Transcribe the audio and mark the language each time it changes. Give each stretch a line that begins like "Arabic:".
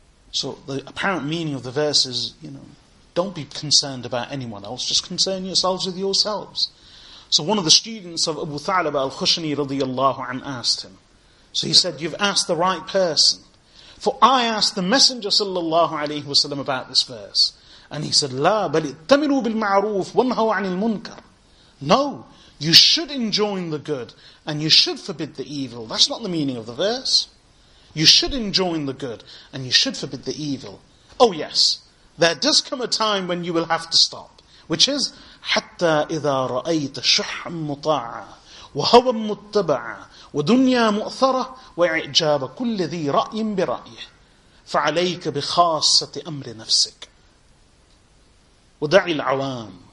English: So the apparent meaning of the verse is, you know, don't be concerned about anyone else, just concern yourselves with yourselves. So one of the students of Abu Tha'laba al-Khushani radiyallahu an asked him. So he said, you've asked the right person. For I asked the Messenger sallallahu alayhi wa sallam about this verse. And he said,
Arabic: لَا بَلِئْتَمِرُوا بِالْمَعْرُوفِ وَنْهَوْا عَنِ الْمُنْكَرِ.
English: No, you should enjoin the good and you should forbid the evil. That's not the meaning of the verse. You should enjoin the good and you should forbid the evil. Oh yes, there does come a time when you will have to stop. Which is,
Arabic: حَتَّى إِذَا رَأَيْتَ شُحًّا مُطَاعًا وَهَوًا مُتَّبَعًا وَدُنْيَا مُؤْثَرَةً وَإِعْجَابَ كُلِّ ذِي رَأْيٍ بِرَأْيِهِ فَعَلَيْكَ بِخَاسَّةِ أَمْرِ نَفْسِكَ وَدَعِي الْعَوَامِ.